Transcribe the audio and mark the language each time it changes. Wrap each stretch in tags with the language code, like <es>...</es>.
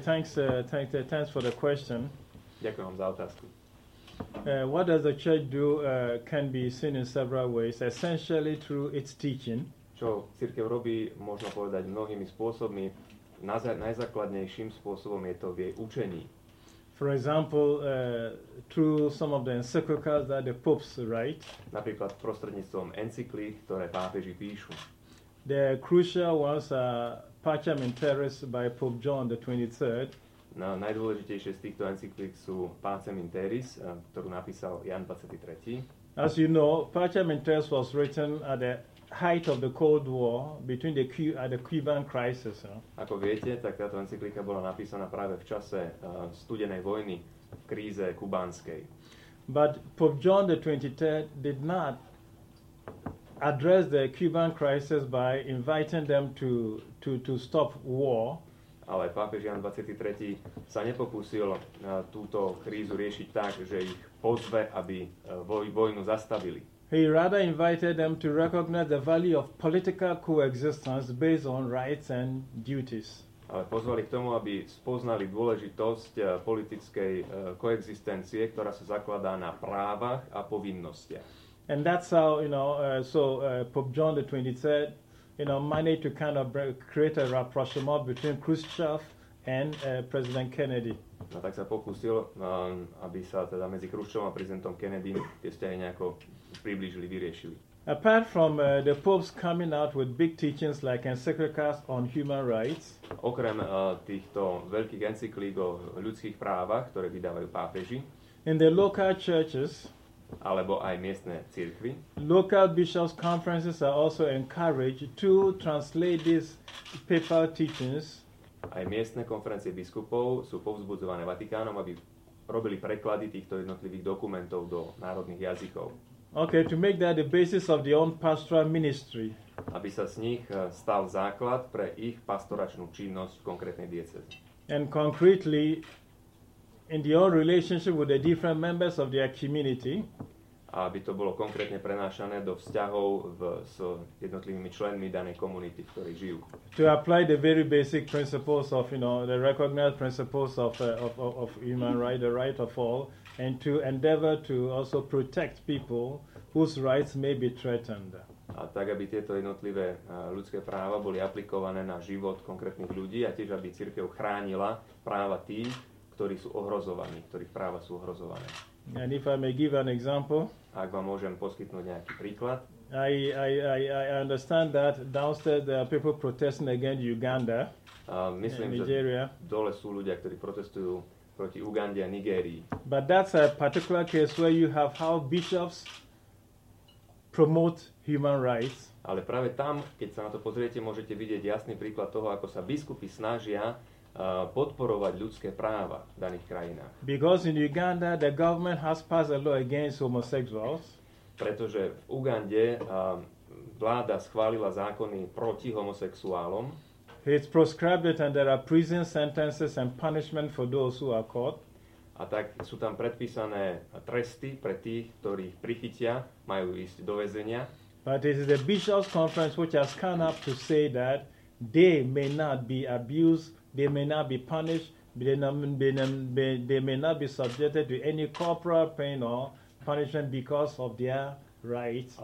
<en>Okay, thanks for the question.</en> <sk>Ďakujem za otázku.</sk> <en>What does the church do can be seen in several ways, essentially through its teaching.</en> <sk>Čo cirkev robí, možno povedať mnohými spôsobmi. Najzákladnejším spôsobom je to v jej učení.</sk> <en>For example, through some of the encyclicals that the popes write.</en> <sk>Napríklad prostredníctvom encyklí, ktoré pápeži píšu.</sk> <en>The crucial ones are Pacem in Terris by Pope John the 23rd.</en> <sk>No, najdôležitejšie z týchto encyklík sú Pacem in Terris, ktorú napísal Jan 23.</sk> <en>As you know, Pacem in Terris was written at the height of the Cold War between the Cuban crisis.</en> <sk>Ako viete, tak táto encyklíka bola napísaná práve v čase studenej vojny, v kríze kubánskej.</sk> <en>But Pope John the 23rd did not address the Cuban crisis by inviting them to stop war.</en> <sk>Ale pápež Jan 23. sa nepokúsil túto krízu riešiť tak, že ich pozve, aby vojnu zastavili.</sk> <en>He rather invited them to recognize the value of political coexistence based on rights and duties.</en> <sk>Ale pozvali k tomu, aby spoznali dôležitosť politickej koexistencie, ktorá sa zakladá na právach a povinnostiach.</sk> <en>And that's how, you know, Pope John the 23rd, you know, managed to kind of create a rapprochement between Khrushchev and President Kennedy.</en> <sk>No, tak sa pokúsil, aby sa teda medzi Khrushchevom a prezidentom Kennedy tie vzťahy nejako približili, vyriešili.</sk> <en>Apart from the popes coming out with big teachings like encyclicals on human rights,</en> <sk>okrem týchto veľkých encyklík o ľudských právach, ktoré vydávajú pápeži,</sk> <en>in the local churches,</en> <sk>alebo aj miestne cirkvi.</sk> <en>Local bishops' conferences are also encouraged to translate these papal teachings.</en> <sk>Aj miestne konferencie biskupov sú povzbudzované Vatikánom, aby robili preklady týchto jednotlivých dokumentov do národných jazykov.</sk> <en>Okay, to make that the basis of their own pastoral ministry.</en> <sk>Aby sa z nich stal základ pre ich pastoračnú činnosť v konkrétnej diecéze.</sk> <en>And concretely, in their own relationship with the different members of their community.</en> <sk>Aby to bolo konkrétne prenášané do vzťahov s jednotlivými členmi danej komunity, v ktorej žijú.</sk> <en>To apply the very basic principles of, you know, the recognized principles of human rights, the right of all, and to endeavor to also protect people whose rights may be threatened.</en> <sk>A tak, aby tieto jednotlivé ľudské práva boli aplikované na život konkrétnych ľudí a tiež, aby cirkev chránila práva tých, ktorí sú ohrozovaní, ktorých práva sú ohrozované.</sk> <en>And if I may give an example,</en> <sk>ak vám môžem poskytnúť nejaký príklad.</sk> <en>I understand that downstairs there are people protesting against Uganda.</en> <sk>Myslím, že dole sú ľudia, ktorí protestujú proti Ugande a Nigérii.</sk> <en>But that's a particular case where you have how bishops promote human rights.</en> <sk>Ale práve tam, keď sa na to pozriete, môžete vidieť jasný príklad toho, ako sa biskupi snažia podporovať ľudské práva v daných krajinách.</sk> <en>Because in Uganda the government has passed a law against homosexuals.</en> <sk>Pretože v Ugande vláda schválila zákony proti homosexuálom.</sk> <en>It's prescribed and there are prison sentences and punishment for those who are caught.</en> <sk>A tak sú tam predpísané tresty pre tých, ktorí ich prichytia, majú ísť do väzenia.</sk> <en>But it is the bishops conference which has come up to say that they may not be abused, they may not be punished, they may not be subjected to any corporal pain or punishment because of their rights.</en>